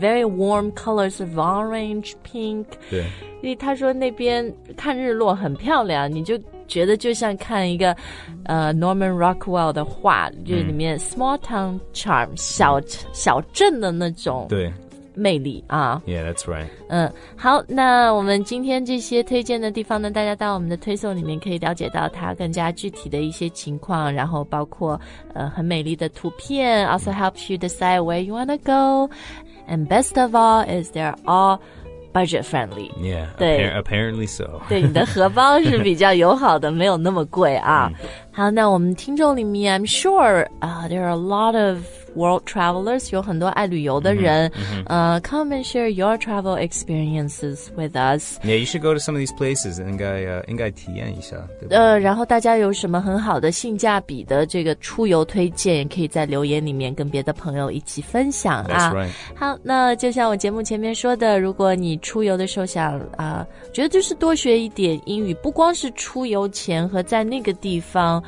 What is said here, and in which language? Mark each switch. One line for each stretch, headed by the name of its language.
English: very warm colors of orange, pink.
Chinese: 对。他说那边看日落很漂亮你就觉得就像看一个、Norman Rockwell 的画就是里面
English: small town charm,
Chinese: 小镇的那种。对。魅力啊
English: Yeah, that's right
Chinese: 好那我们今天这些推荐的地方呢大家到我们的推送里面可以了解到它更加具体的一些情况然后包括很美丽的图片
English: Also helps you decide where you want to go And best of all is they're all budget friendly Yeah,
Chinese: 对
English: apparently so
Chinese: 对你的荷包是比较友好的没有那么贵啊好那我们听众里面
English: I'm sure there are a lot of world travelers
Chinese: 有很多爱旅游的人
English: come and share your travel experiences with us Yeah, you should go to some of these places
Chinese: 应该体验一下然后大家有什么很好的性价比的这个出游推荐可以在留言里面跟别的朋友一起分享、
English: That's right
Chinese: 好那就像我节目前面说的如果你出游的时候想觉得就是多学一点英语不光是出游前和在那个地方、